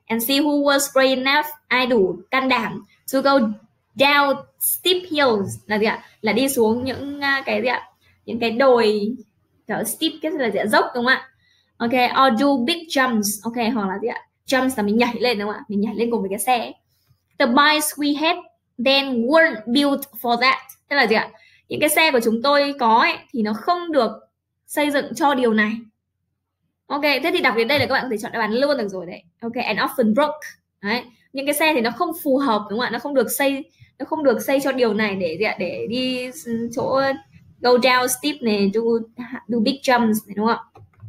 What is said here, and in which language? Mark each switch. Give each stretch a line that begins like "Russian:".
English: And see who was brave enough,
Vietnamese: ai đủ can đảm
English: to go down steep hills,
Vietnamese: là gì ạ? Là đi xuống những cái gì ạ? Những cái đồi kiểu steep, cái là gì ạ? Dốc, đúng không ạ? Ok,
English: or do big jumps.
Vietnamese: Ok, hoặc là gì ạ? Jumps là mình nhảy lên, đúng không ạ? Mình nhảy lên cùng với cái xe.
English: The bikes we had then weren't built for that.
Vietnamese: Tức là gì ạ? Những cái xe của chúng tôi có ấy, thì nó không được xây dựng cho điều này. Ok, thế thì đọc đến đây là các bạn có thể chọn đáp án luôn được rồi đấy. Ok,
English: and often broke.
Vietnamese: Đấy. Những cái xe thì nó không phù hợp, đúng không ạ? Nó không được xây cho điều này để gì ạ? Để đi chỗ
English: go down steep
Vietnamese: này, do big jumps này, đúng không ạ?